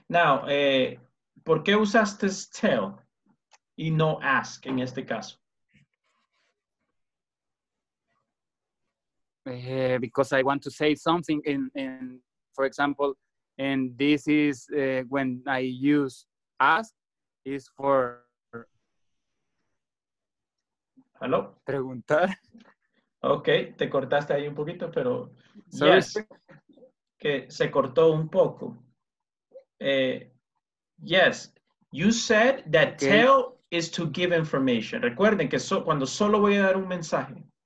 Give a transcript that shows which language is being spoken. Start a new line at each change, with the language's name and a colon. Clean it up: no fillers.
Spanish: Now, ¿por qué usaste tell y no ask en este caso?
English: Because I want to say something in for example, and this is when I use ask is for. Hello.
Spanish: Preguntar. Okay, te cortaste ahí un poquito, pero sorry.
English: Yes,
Spanish: que se cortó un poco.
English: Yes, you said that okay. Tell is to give information.
Spanish: Recuerden que cuando solo voy a dar un mensaje.